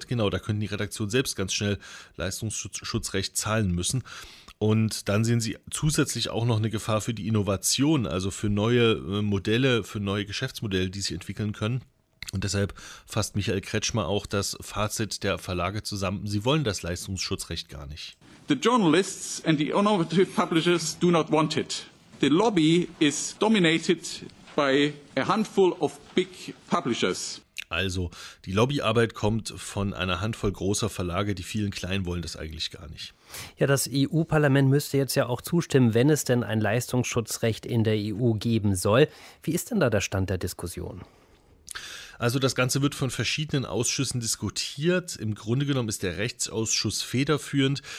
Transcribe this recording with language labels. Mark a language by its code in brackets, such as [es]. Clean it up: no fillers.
[de] Da könnten die Redaktionen selbst ganz schnell Leistungsschutzrecht zahlen müssen. Und dann sehen sie zusätzlich auch noch eine Gefahr für die Innovation, also für neue Modelle, für neue Geschäftsmodelle, die sich entwickeln können. Und deshalb fasst Michael Kretschmer auch das Fazit der Verlage zusammen. Sie wollen das Leistungsschutzrecht gar nicht. [en] The journalists and the innovative publishers do not want it. The lobby is dominated by a handful of big publishers. [de] Also, die Lobbyarbeit kommt von einer Handvoll großer Verlage, die vielen kleinen wollen das eigentlich gar nicht. Ja, das EU-Parlament müsste jetzt ja auch zustimmen, wenn es denn ein Leistungsschutzrecht in der EU geben soll. Wie ist denn da der Stand der Diskussion? Also das Ganze wird von verschiedenen Ausschüssen diskutiert. Im Grunde genommen ist der Rechtsausschuss federführend.